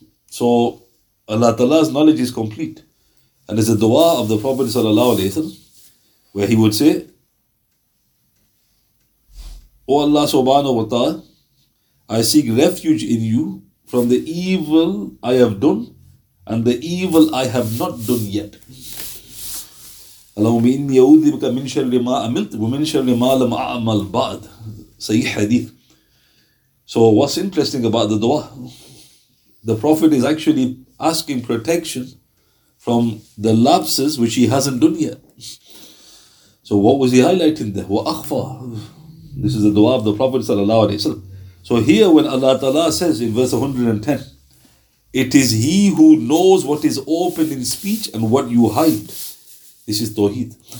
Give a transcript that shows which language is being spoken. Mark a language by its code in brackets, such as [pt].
[en] So Allah ta'ala's knowledge is complete. And there's a dua of the Prophet sallallahu alayhi wa sallam, where he would say, O Allah subhanahu wa ta'ala, I seek refuge in you from the evil I have done and the evil I have not done yet. [ar] اللهم إني أعوذ بك من شر ما عملت ومن شر ما لم أعمل بعد. صحيح حديث. [en] So what's interesting about the dua? The Prophet is actually asking protection from the lapses which he hasn't done yet. So what was he highlighting there? وأخفى. This is the dua of the Prophet [ar] صلى الله عليه وسلم. [en] So here when Allah Ta'ala says in verse 110, it is he who knows what is open in speech and what you hide. This is Tawheed.